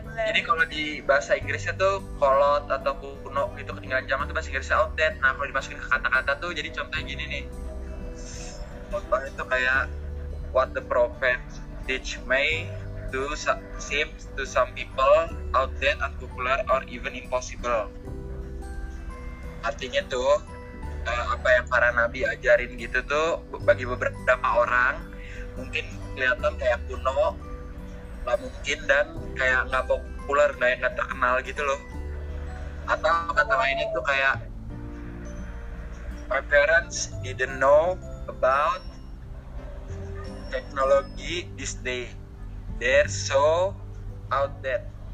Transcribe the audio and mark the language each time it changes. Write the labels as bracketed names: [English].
[Indonesian] jadi kalau di bahasa Inggrisnya tuh kolot atau kuno itu ketinggalan zaman tuh bahasa Inggrisnya outdated. Nah kalau dimasukin ke kata-kata tuh jadi contohnya gini nih. Contoh itu kayak [English] what the prophet teach may do seem to some people outdated, unpopular, or even impossible. [Indonesian] Artinya tuh apa yang para nabi ajarin gitu tuh bagi beberapa orang mungkin kelihatan kayak kuno. Gak mungkin dan kayak gak populer, kayak gak terkenal gitu loh. Atau kata lainnya tuh kayak [English] my parents didn't know about technology this day, they're so outdated